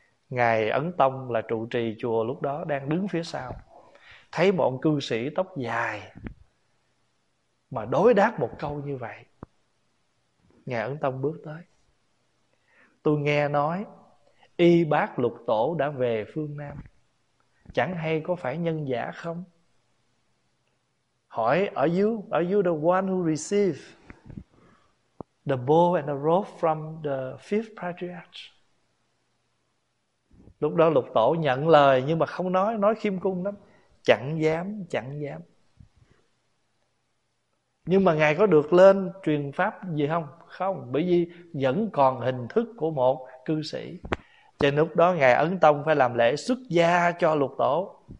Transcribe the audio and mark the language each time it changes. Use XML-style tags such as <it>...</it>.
<vi>Ngài Ấn Tông là trụ trì chùa lúc đó đang đứng phía sau, thấy bọn cư sĩ tóc dài mà đối đáp một câu như vậy, Ngài Ấn Tông bước tới: tôi nghe nói y bác lục tổ đã về phương Nam, chẳng hay có phải nhân giả không? Hỏi:</vi> <en>Are you the one who received the bow and the rope from the fifth patriarch?</en> <vi>Lúc đó lục tổ nhận lời nhưng mà không nói, nói khiêm cung lắm: chẳng dám, chẳng dám. Nhưng mà Ngài có được lên truyền pháp gì không? Không, bởi vì vẫn còn hình thức của một cư sĩ. Cho nên lúc đó Ngài Ấn Tông phải làm lễ xuất gia cho lục tổ.</vi>